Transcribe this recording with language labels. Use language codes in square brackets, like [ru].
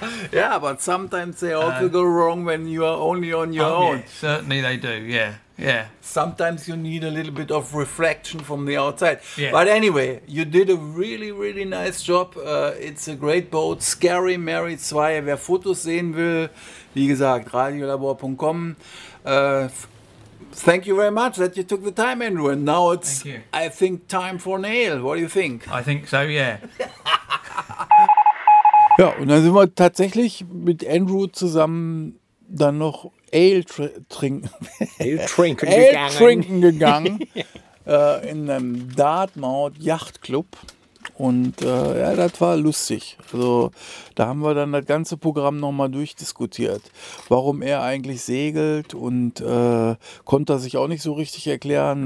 [en] Yeah, but sometimes they also go wrong when you are only on your own. Yeah, certainly they do, yeah. Yeah. Sometimes you need a little bit of reflection from the outside. Yeah. But anyway, you did a really, really nice job. It's a great boat. Scary Mary 2. [de] Wer Fotos sehen will, wie gesagt, radiolabor.com. [en] Thank you very much that you took the time, Andrew. And now it's, I think, time for an ale. What do you think? I think so, yeah. [de] Ja, und dann sind wir tatsächlich mit Andrew zusammen dann noch Ale trinken gegangen in einem Dartmouth Yacht Club. Und ja, das war lustig. Also da haben wir dann das ganze Programm nochmal durchdiskutiert, warum er eigentlich segelt, und konnte er sich auch nicht so richtig erklären.